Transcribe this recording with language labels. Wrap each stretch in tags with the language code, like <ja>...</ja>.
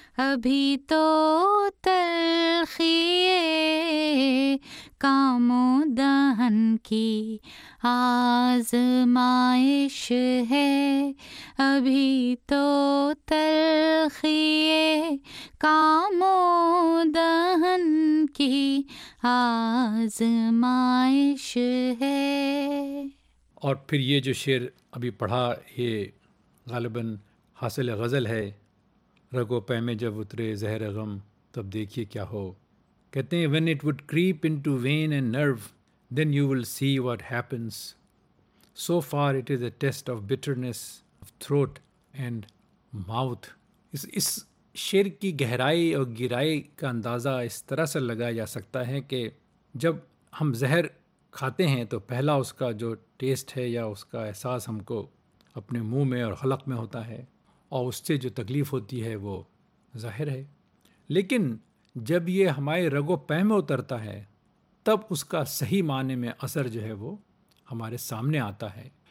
<ur>ابھی تو تلخی کام و دہن کی آزمائش ہے, ابھی تو تلخی کام و دہن کی آزمائش ہے. اور پھر یہ جو شعر ابھی پڑھا یہ غالباً حاصل غزل ہے, رگو پہ میں جب اترے زہر غم تب دیکھیے کیا ہو. کہتے ہیں</ur> <en>when it would creep into vein and nerve then you will see what happens, so far it is a test of bitterness of throat and mouth.</en> <ur>اس شعر کی گہرائی اور گرائی کا اندازہ اس طرح سے لگایا جا سکتا ہے کہ جب ہم زہر کھاتے ہیں تو پہلا اس کا جو ٹیسٹ ہے یا اس کا احساس ہم کو اپنے منہ میں اور حلق میں ہوتا ہے, اور اس سے جو تکلیف ہوتی ہے وہ ظاہر ہے, لیکن جب یہ ہمارے رگ و پہ میں اترتا ہے تب اس کا صحیح معنی میں اثر جو ہے وہ ہمارے سامنے آتا ہے.</ur>